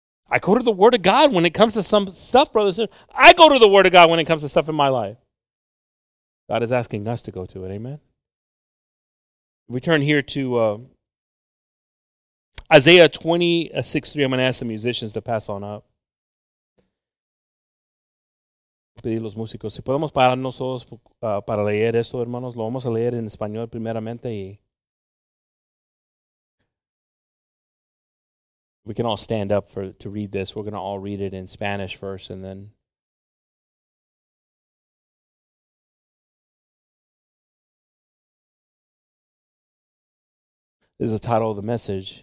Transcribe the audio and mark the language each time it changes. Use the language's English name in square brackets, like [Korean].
[English] I go to the Word of God when it comes to some stuff, brothers and sisters. I go to the Word of God when it comes to stuff in my life. God is asking us to go to it. Amen. We turn here to Isaiah 26:3. I'm going to ask the musicians to pass on up. [Spanish] Pedir los músicos. Si podemos pararnos todos para leer esto, hermanos, lo vamos a leer en español primeramente. [English] Y we can all stand up to read this. We're going to all read it in Spanish first, and then this is the title of the message.